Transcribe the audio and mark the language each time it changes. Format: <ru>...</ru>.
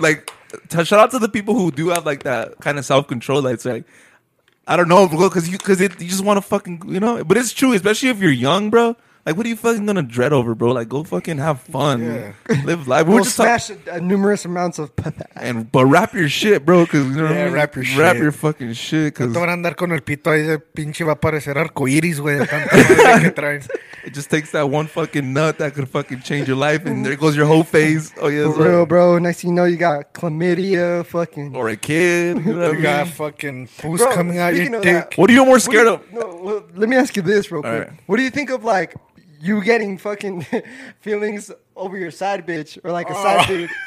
<en>Like, shout out to the people who do have, like, that kind of self-control. Like, it's like, I don't know, bro, because you just want to fucking, you know? But it's true, especially if you're young, bro. Like, what are you fucking going to dread over, bro? Like, go fucking have fun. Yeah. Live life. We'll just smash numerous amounts of... But wrap your shit, bro, because, you know yeah, what I mean? Wrap your shit. Wrap your fucking shit, because...</en> <es>No te van a andar con el pito ahí, ese pinche va a parecer arcoiris, güey, de tanta madre que traen.</es> <en>It just takes that one fucking nut that could fucking change your life, and there goes your whole face. Oh, yeah. For real, bro. Next thing you know, you got chlamydia, fucking. Or a kid. You, know you got fucking poos coming out your dick. That, what are you more scared of? No, well, let me ask you this real quick. Right. What do you think of, like, you getting fucking feelings over your side bitch or like a side dude?</en>